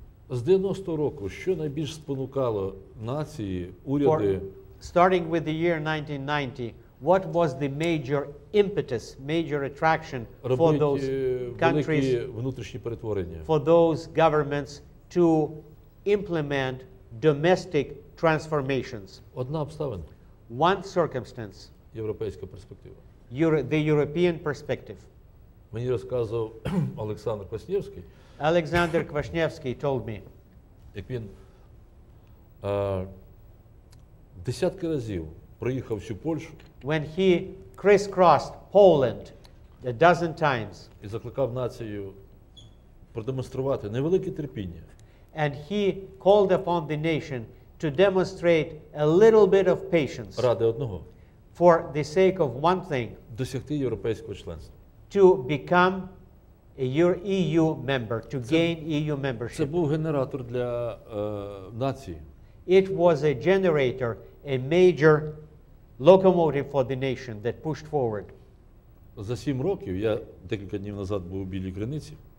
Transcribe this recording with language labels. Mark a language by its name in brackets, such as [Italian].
[Ukrainian] З 90-го року, що найбільш спонукало нації, уряди? [English] Starting with the year 1990, what was the major impetus, major attraction for those countries, [Ukrainian] внутрішні перетворення? [English] For those governments to implement domestic transformations. [Ukrainian] Одна обставина. [English] One circumstance. [Ukrainian] Європейська перспектива. [English] The European perspective. [Ukrainian] Мені розказував Олександр Квашнєвський. [English] Alexander Kwasniewski told me. [Ukrainian] Як він десятки разів проїхав всю Польщу. [English] When he crisscrossed Poland a dozen times. [Ukrainian] І закликав націю продемонструвати невелике терпіння. [English] And he called upon the nation to demonstrate a little bit of patience. [Ukrainian] Ради одного. [English] For the sake of one thing. [Ukrainian] Досягти європейського членства. [English] To become a EU member, to gain EU membership. [Ukrainian] Це був генератор для нації. [English] It was a generator, a major locomotive for the nation that pushed forward. [Ukrainian] За 7 років, я декілька днів назад був у Білій Криниці.